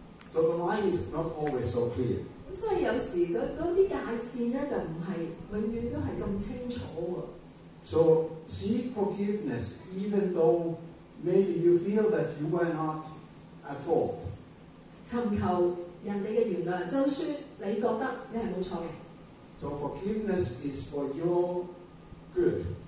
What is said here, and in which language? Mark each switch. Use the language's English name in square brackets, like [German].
[English] So the line is not always so clear. [Cantonese] 咁所以有時嗰啲界線咧，就唔係永遠都係咁清楚喎。 [English] So seek forgiveness, even though maybe you feel that you were not at fault. [Cantonese] 尋求人哋嘅原諒，就算你覺得你係冇錯嘅。 [English] So forgiveness is for your good.